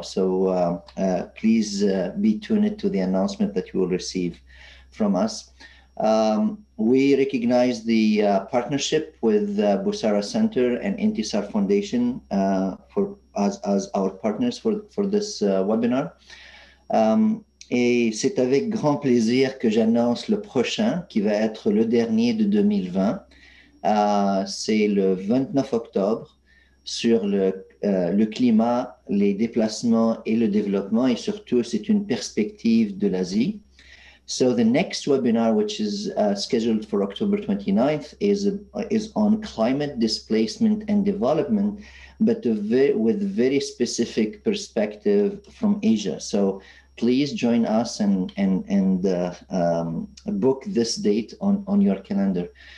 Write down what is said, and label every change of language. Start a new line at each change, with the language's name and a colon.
English: So please be tuned to the announcement that you will receive from us. We recognize the partnership with Busara Center and Intisar Foundation as our partners for this webinar.
French: Et c'est avec grand plaisir que j'annonce le prochain, qui va être le dernier de 2020. C'est le 29 octobre. Sur le climat, les déplacements et le développement, et surtout, c'est une perspective de l'Asie.
English: So the next webinar, which is scheduled for October 29th, is on climate displacement and development, but with very specific perspective from Asia. So please join us and book this date on your calendar.